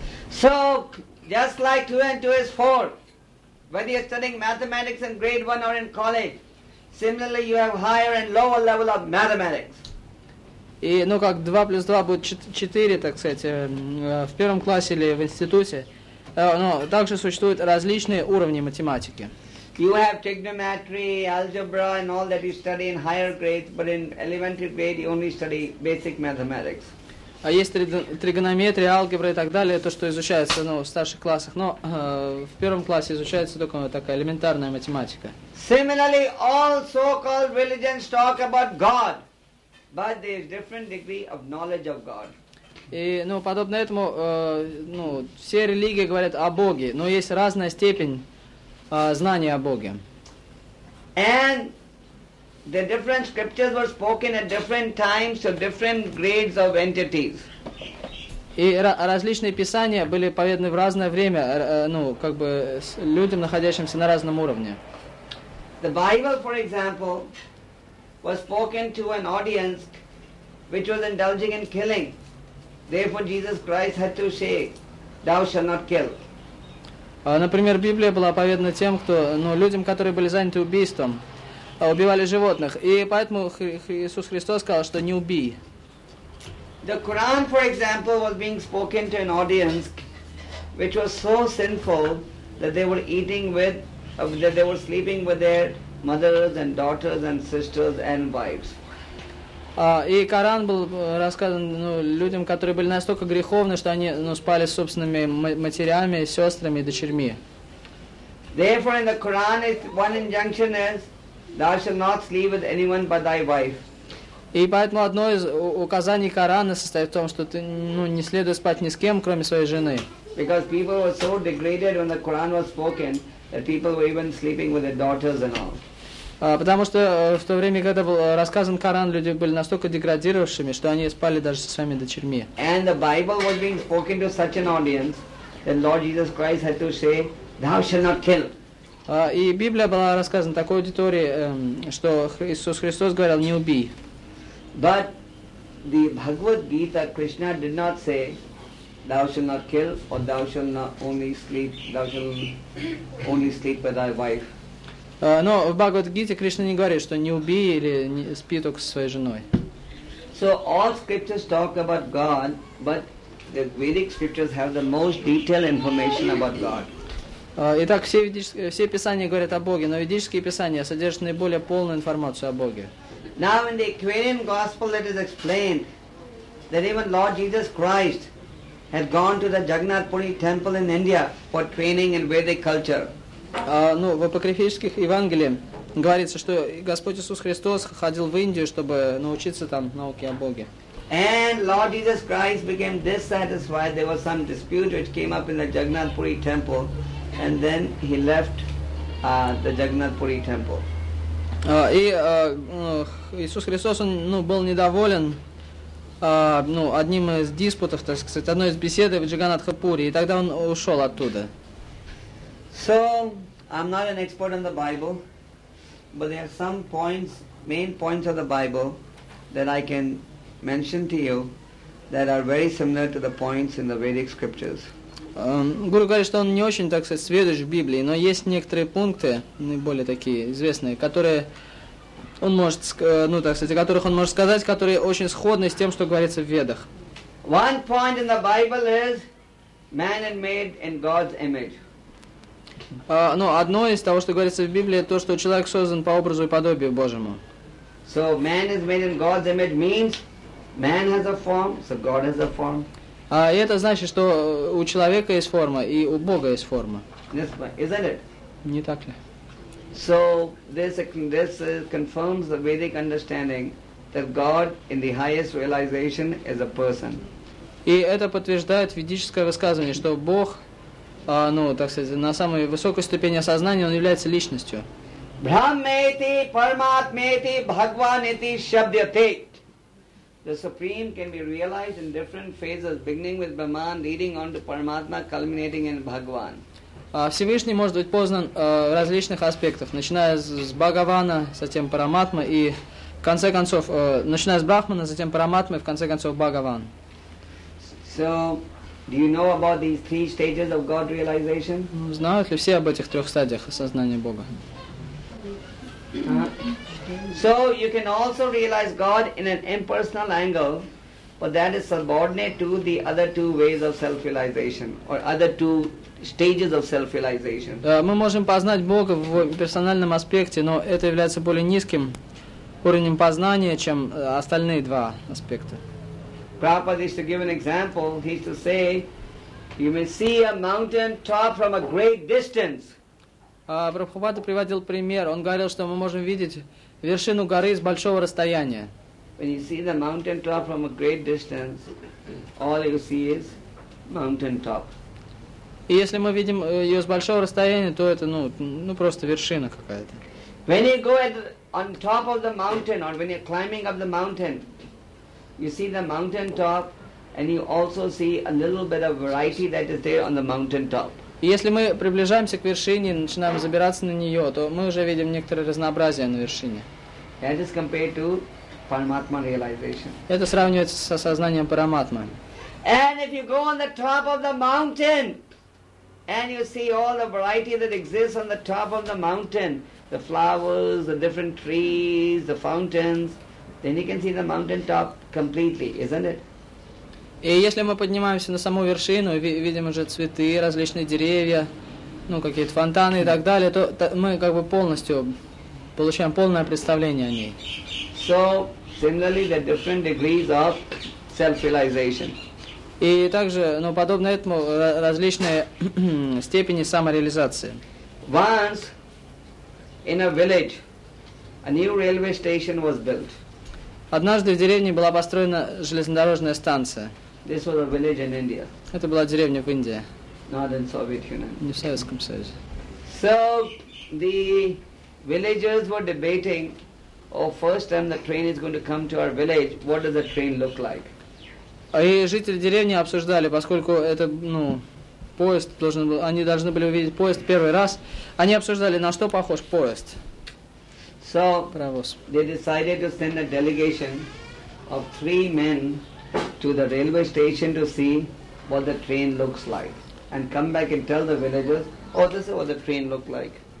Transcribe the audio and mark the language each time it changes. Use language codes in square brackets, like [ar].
[en] So, just like two and two is four, whether you're studying mathematics in grade one or in college, similarly you have higher and lower level of mathematics. [ru] И, ну как, два плюс два будет четыре, так сказать, в первом классе или в институте. Но также существуют различные уровни математики. [en] You have trigonometry, algebra, and all that you study in higher grades, but in elementary grade you only study basic mathematics. [ru] А есть тригонометрия, алгебра и так далее, то, что изучается, ну, в старших классах. Но в первом классе изучается только такая элементарная математика. [en] Similarly, all so-called religions talk about God, but there is different degree of knowledge of God. [ru] И, ну, подобно этому, ну, все религии говорят о Боге, но есть разная степень знания о Боге. [en] And the different scriptures were spoken at different times to different grades of entities. [ru] И различные писания были поведаны в разное время, ну, как бы с людям, находящимся на разном уровне. [en] The Bible, for example, was spoken to an audience which was indulging in killing. Therefore, Jesus Christ had to say, "Thou shalt not kill." [ru] Например, Библия была поведена тем, кто, ну, людям, которые были заняты убийством, убивали животных, и поэтому Иисус Христос сказал, что не убий. [en] The Quran, for example, was being spoken to an audience which was so sinful that they were eating with, that they were sleeping with their mothers and daughters and sisters and wives. [ru] И Коран был рассказан, ну, людям, которые были настолько греховны, что они, ну, спали с собственными матерями, сестрами и дочерьми. [en] Therefore, in the Quran, one injunction is, thou shalt not sleep with anyone but thy wife. [ru] И поэтому одно из указаний Корана состоит в том, что ты, ну, не следует спать ни с кем, кроме своей жены. [en] Because people were so degraded when the Quran was spoken, that people were even sleeping with their daughters and all. [ru] Потому что в то время, когда был рассказан Коран, люди были настолько деградировавшими, что они спали даже со своими дочерьми. [en] And the Bible was being spoken to such an audience that Lord Jesus Christ had to say, "Thou shalt not kill." [ru] И Библия была рассказана такой аудитории, что Иисус Христос говорил, не убий. [en] But the Bhagavad Gita, Krishna did not say, "Thou shalt not kill," or "Thou shalt not only sleep, thou shalt only sleep with thy wife." [ru] Но в Бхагавад-гите Кришна не говорит, что не убий или не спи только со своей женой. [en] So all scriptures talk about God, but the Vedic scriptures have the most detailed information about God. [ru] Итак, все писания говорят о Боге, но ведические писания содержат наиболее полную информацию о Боге. [en] Now in the Aquarian Gospel it is explained that even Lord Jesus Christ had gone to the Jagannath Puri temple in India for training in Vedic culture. [ru] Ну, в апокрифических Евангелиях говорится, что Господь Иисус Христос ходил в Индию, чтобы научиться там науке о Боге. [en] And Lord Jesus Christ became dissatisfied. There was some dispute which came up in the Jagannath Puri temple, and then he left the Jagannath Puri temple. [ru] Иисус Христос, он, ну, был недоволен, ну, одним из диспутов, так сказать, одной из беседы в Джаганнатха Пури, и тогда он ушел оттуда. [en] So, I'm not an expert on the Bible, but there are some points, main points of the Bible that I can mention to you that are very similar to the points in the Vedic scriptures. [ru] Гуру говорит, что он не очень, так сказать, сведущ в Библии, но есть некоторые пункты, наиболее такие известные, которые он может, ну, так сказать, о которых он может сказать, которые очень сходны с тем, что говорится в Ведах. [en] One point in the Bible is man and made in God's image. [ru] Ну, одно из того, что говорится в Библии, то, что человек создан по образу и подобию Божьему. [en] So man is made in God's image means man has a form, so God has a form. [ru] И это значит, что у человека есть форма и у Бога есть форма. [en] Yes, isn't it? [ru] Не так ли? [en] So this confirms the Vedic understanding that God in the highest realization is a person. [ru] И это подтверждает ведическое высказывание, что Бог, ну, так сказать, на самой высокой ступени осознания он является личностью. [sa] Brahmeti, Paramatmeti, Bhagwaneti, Shabdyate. [en] The Supreme can be realized in different phases, beginning with Brahman, leading on to Paramatma, culminating in Bhagwan. [ru] Всевышний может быть познан в различных аспектах, начиная с Бхагавана, затем Параматма, и в конце концов, начиная с Брахмана, затем Параматма, и в конце концов Бхагаван. [en] So, do you know about these three stages of God realization? [ru] Знают ли все об этих трех стадиях осознания Бога? [en] So you can also realize God in an impersonal angle, but that is subordinate to the other two ways of self-realization or other two stages of self-realization. [ru] Мы можем познать Бога в персональном аспекте, но это является более низким уровнем познания, чем остальные два аспекта. [en] Prabhupada used to give an example. He used to say, "You may see a mountain top from a great distance." [ru] Прабхупада приводил пример. Он говорил, что мы можем видеть вершину горы с большого расстояния. [en] When you see the mountain top from a great distance, all you see is mountain top. [ru] И если мы видим ее с большого расстояния, то это просто вершина какая-то. [en] When you go on top of the mountain, or when you're climbing up the mountain, you see the mountain top, and you also see a little bit of variety that is there on the mountain top. [ru] Если мы приближаемся к вершине и начинаем забираться на нее, то мы уже видим некоторое разнообразие на вершине. [en] That is compared to Paramatma realization. [ru] Это сравнивается с осознанием Параматмы. [en] And if you go on the top of the mountain and you see all the variety that exists on the top of the mountain, the flowers, the different trees, the fountains, then you can see the mountain top completely, isn't it? [ru] И если мы поднимаемся на саму вершину, видим уже цветы, различные деревья, какие-то фонтаны и так далее, то мы полностью получаем полное представление о ней. [en] So, similarly, the different degrees of self-realization. [ru] И также, подобно этому, различные степени самореализации. [en] Once, in a village, a new railway station was built. [ru] Однажды в деревне была построена железнодорожная станция. [en] This was a village in India. [ru] Это была деревня в Индии. [en] Not in Soviet Union. [ru] Не в Советском Союзе. [en] So the villagers were debating, oh, first time the train is going to come to our village, what does the train look like? [ru] И жители деревни обсуждали, поскольку это, поезд должен был, они должны были увидеть поезд первый раз. Они обсуждали, на что похож поезд. So паровоз. [en] They decided to send a delegation of three men to the railway station to see what the train looks like and come back and tell the villagers, oh, this is what the train looked like.